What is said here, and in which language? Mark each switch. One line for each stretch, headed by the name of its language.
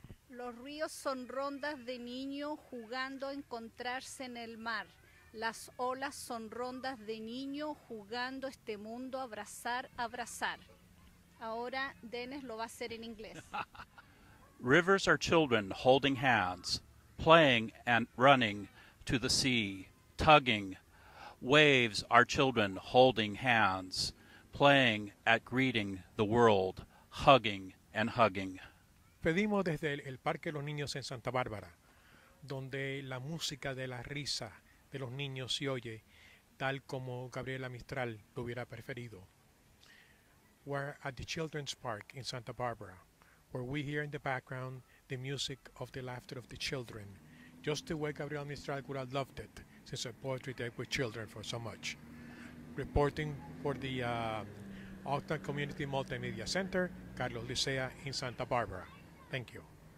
Spanish: Los ríos son rondas de niños jugando a encontrarse en el mar. Las olas son rondas de niños jugando este mundo a abrazar, abrazar. Ahora Dennis lo va a hacer en inglés.
English: Rivers are children holding hands, playing and running to the sea, tugging. Waves are children holding hands, playing at greeting the world, hugging and hugging.
Spanish: Pedimos desde el Parque de los Niños en Santa Bárbara, donde la música de la risa de los niños se oye, tal como Gabriela Mistral lo hubiera preferido.
English: We're at the Children's Park in Santa Barbara, where we hear in the background the music of the laughter of the children, just the way Gabriela Mistral would have loved it, since her poetry dealt with children for so much. Reporting for the Octa Community Multimedia Center, Carlos Licea in Santa Barbara. Thank you.